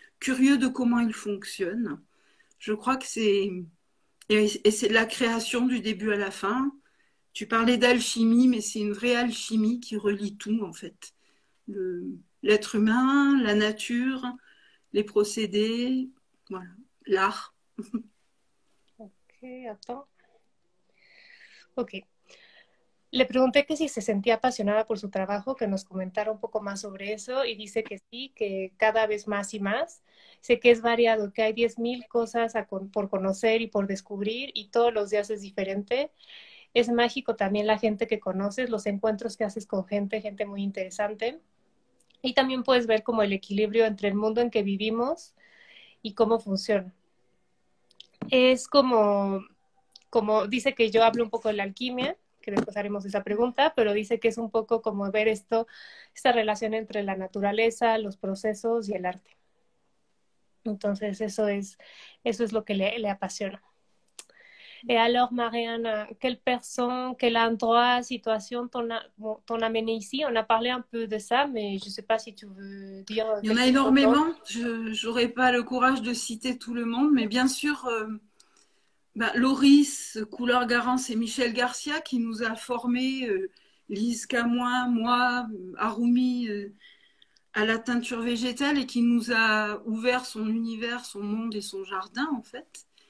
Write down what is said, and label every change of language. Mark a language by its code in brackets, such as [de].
[fr] Curieux de comment il fonctionne. Je crois que c'est la création du début à la fin. Tu parlais d'alchimie, mais c'est une vraie alchimie qui relie tout, en fait. L'être humain, la nature, les procédés, voilà, l'art. Attends. Ok. [es] Le pregunté que si se sentía apasionada por su trabajo, que nos comentara un poco más sobre eso y dice que sí, que cada vez más y más. Sé que es variado, que hay 10.000 cosas por conocer y por descubrir y todos los días es diferente. Es mágico también la gente que conoces, los encuentros que haces con gente muy interesante. Y también puedes ver como el equilibrio entre el mundo en que vivimos y cómo funciona. Es como dice que yo hablo un poco de la alquimia, que después haremos esa pregunta, pero dice que es un poco como ver esta relación entre la naturaleza, los procesos y el arte. Entonces, eso es lo que le apasiona. [fr] Et alors, Mariana, quelle personne, quel endroit, situation t'en a mené ici? On a parlé un peu de ça, mais je ne sais pas si tu veux dire Il y en a quelque chose d'autre. énormément, je n'aurai pas le courage de citer tout le monde, mais bien sûr, Loris, Couleur Garance et Michel Garcia qui nous a formés, Lise Camoin, moi, Harumi, à la teinture végétale et qui nous a ouvert son univers, son monde et son jardin, en fait,